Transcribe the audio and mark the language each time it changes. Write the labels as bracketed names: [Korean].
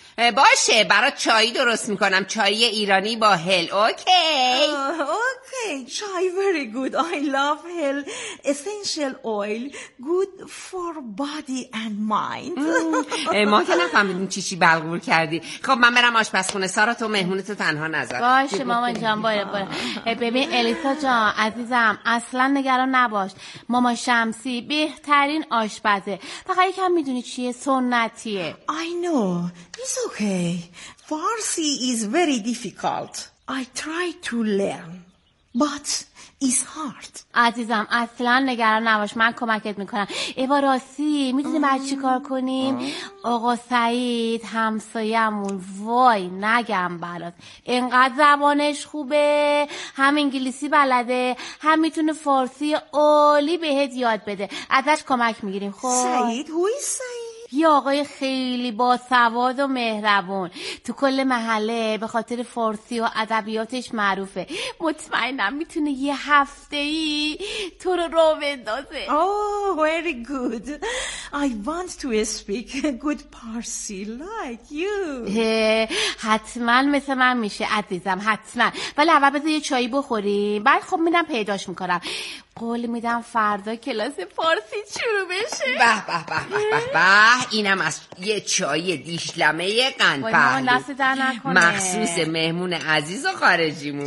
[Persian] باشه برات چای درست میکنم، چای ایرانی با هل. اوکی [English] Okay چای very good. I love هل essential oil good for body and mind. [Persian] ما که نفهمیدیم چی چی بلغور کردی. خب من برم آشپزخونه، سارا تو مهمونتو تنها نذار. باشه مامان جان. باره باره. ببین الیسا جان عزیزم اصلا نگران نباش، ماما شمسی بهترین آشپزه، فقط یکم میدونی چیه سنتیه. [English] I know it's okay. Farsi is very difficult. I try to learn, but it's hard. [Persian] عزیزم اصلا نگران نباش، من کمکت میکنم. ایوا راستی میدونی بعد چی کار کنیم؟ آقا سعید همسایه‌مون، وای نگم برات، اینقدر زبانش خوبه، هم انگلیسی بلده، هم میتونه فارسی عالی بهت یاد بده، ازش کمک میگیریم. خب سعید هو سعید یا آقای خیلی با سواد و مهربون تو کل محله به خاطر فارسی و ادبیاتش معروفه، مطمئنم میتونه یه هفته‌ای تو رو راه بندازه. [English] Oh very good. I want to speak good Parsi like you. [Persian] حتما مثل من میشه عزیزم، حتما. ولی اول بذار یه چایی بخوریم، بعد خب میدم پیداش میکنم. قول میدم فردا کلاس فارسی شروع بشه. به به به به به به، اینم از یه چای دیشلمه قندپهلو مخصوص مهمون عزیز و خارجیمون.